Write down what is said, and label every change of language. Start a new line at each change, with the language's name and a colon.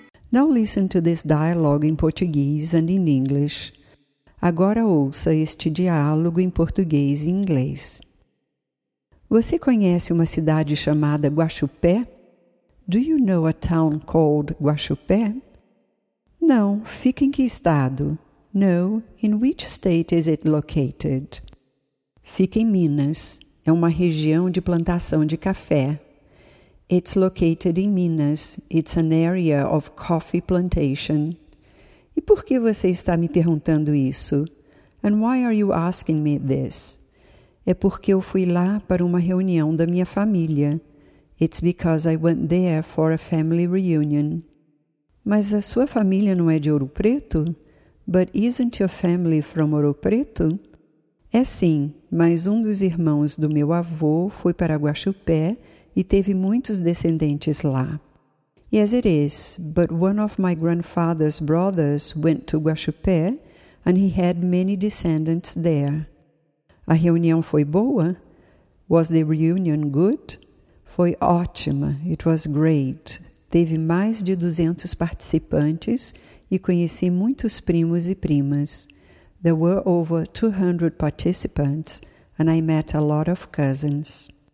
English: Now listen to this dialogue in Portuguese and in English.
Portuguese: Agora ouça este diálogo em português e inglês. Você conhece uma cidade chamada Guaxupé?
English: Do you know a town called Guaxupé?
Portuguese: Não, fica em que estado?
English: No, in which state is it located?
Portuguese: Fica em Minas. É uma região de plantação de café.
English: It's located in Minas. It's an area of coffee plantation.
Portuguese: E por que você está me perguntando isso?
English: And why are you asking me this?
Portuguese: É porque eu fui lá para uma reunião da minha família.
English: It's because I went there for a family reunion.
Portuguese: Mas a sua família não é de Ouro Preto?
English: But isn't your family from Ouro Preto?
Portuguese: É sim, mas um dos irmãos do meu avô foi para Guaxupé e teve muitos descendentes lá.
English: Yes, it is, but one of my grandfather's brothers went to Guaxupé and he had many descendants there.
Portuguese: A reunião foi boa?
English: Was the reunion good?
Portuguese: Foi ótima,
English: it was great.
Portuguese: Teve mais de 200 participantes e conheci muitos primos e primas.
English: There were over 200 participants, and I met a lot of cousins.